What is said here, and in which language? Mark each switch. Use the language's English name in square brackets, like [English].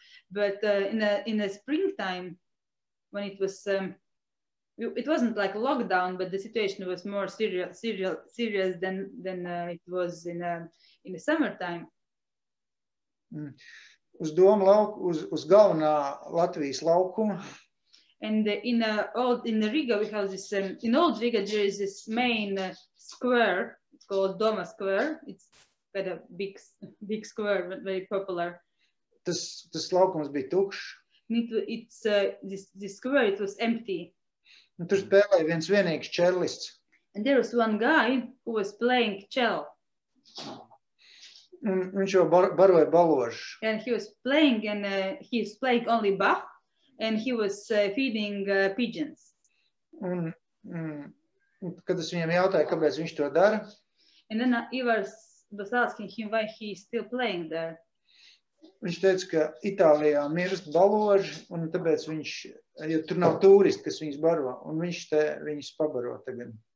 [English] But in the springtime, when it was, it wasn't like lockdown, but the situation was more serious than it was in the summertime. [Latvian] Uz doma lauku, uz galvenā Latvijas laukuma. [English] And in Riga we have this in old Riga there is this main square called Doma Square. It's got a big square, but very popular. [Latvian] Tas laukums bija tukšs. [English] This square it was empty. [Latvian] Un tur spēlēja viens vienīgs čellists. [English] And there was one guy who was playing cello. [Latvian] Viņš jau baroja balošu. [English] And he was playing and he was playing only Bach. And he was feeding pigeons. [Latvian] Kad es viņam jautāju, kāpēc viņš to dara? [English] And then Ivars was asking him why he is still playing there. [Latvian] Viņš teica, ka Itālijā mirst baloži, un tāpēc viņš, jo tur nav tūristi, kas viņus baro, un viņš te viņus pabaro tagad.